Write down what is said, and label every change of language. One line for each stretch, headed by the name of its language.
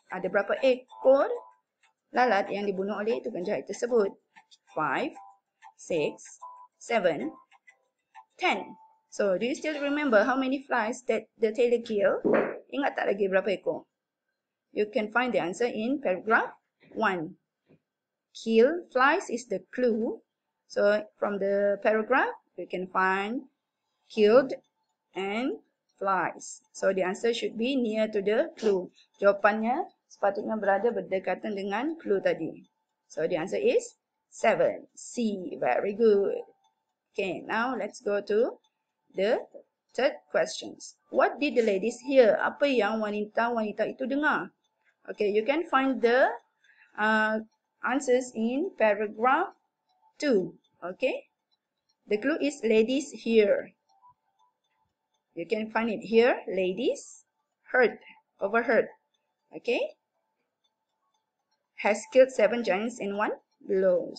Malay: Ada berapa ekor lalat yang dibunuh oleh tukang jahit tersebut? 5, 6, 7, 10.
English: So do you still remember how many flies did the tailor kill?
Malay: Ingat tak lagi berapa ekor?
English: You can find the answer in paragraph 1. Kill flies is the clue. So from the paragraph, you can find killed and flies. So the answer should be near to the clue.
Malay: Jawapannya sepatutnya berada berdekatan dengan clue tadi.
English: So the answer is 7. C. Very good. Okay, now let's go to the third questions. What did the ladies hear?
Malay: Apa yang wanita-wanita itu dengar?
English: Okay, you can find the answers in paragraph 2. Okay, the clue is ladies hear. You can find it here. Ladies heard, overheard. Okay, has killed 7 giants in one blow.